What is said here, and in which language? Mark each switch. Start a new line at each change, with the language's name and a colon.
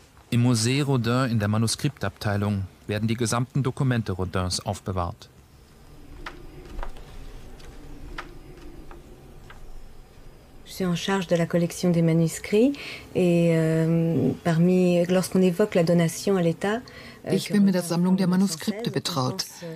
German: Im Musée Rodin in der Manuskriptabteilung werden die gesamten Dokumente Rodins aufbewahrt.
French: Je suis en charge de la collection des manuscrits et parmi lorsqu'on évoque la donation à l'État,
German: ich bin mit der Sammlung der Manuskripte betraut.